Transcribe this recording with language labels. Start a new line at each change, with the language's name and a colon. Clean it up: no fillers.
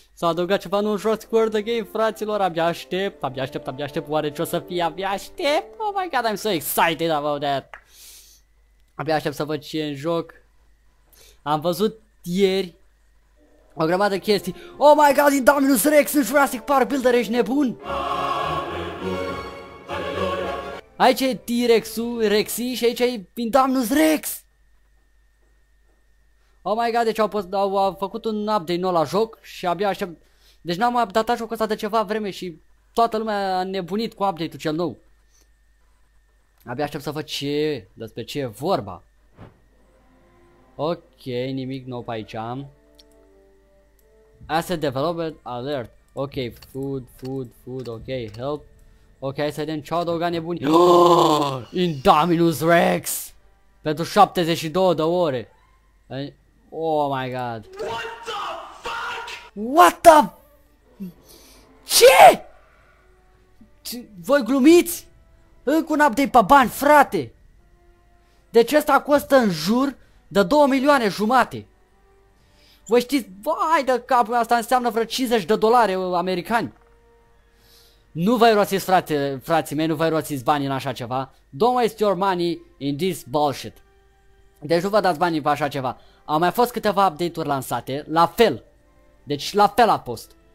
Romanian: S-a adăugat ceva nou în Jurassic World The Game, fraților, abia aștept, abia aștept, abia aștept. Oare ce o să fie? Abia aștept.
English: Oh my god, I'm so excited about that.
Romanian: Abia aștept să văd ce e în joc. Am văzut ieri o grămadă chestii.
English: Oh my god,
Romanian: Indominus Rex în Jurassic Park Builder, ești nebun? Aici e T-Rex-ul, Rexy, și aici e Indominus Rex.
English: Oh my god,
Romanian: deci au făcut un update nou la joc și abia aștept. Deci n-am updatat jocul ăsta de ceva vreme și toată lumea a nebunit cu update-ul cel nou. Abia aștept să văd ce, despre ce e vorba. Ok, nimic nou pe aici.
English: Asset development alert. Ok, food, food, food, ok, help.
Romanian: Ok, hai să vedem ce au adăugat nebunii.
English: Oh, Indominus Rex!
Romanian: Pentru 72 de ore.
English: Oh my god. What the?
Romanian: Ce? Voi glumiți? Încă un update pe bani, frate. Deci ăsta costă în jur de 2 milioane jumate. Voi știți, vai de capul meu, asta înseamnă vreo 50 de dolari americani. Nu vă eroțiți, frate, frații mei, nu vă eroțiți banii în așa ceva.
English: Don't waste your money in this bullshit.
Romanian: Deci nu vă dați banii pe așa ceva. Au mai fost câteva update-uri lansate, la fel. Deci la fel a fost.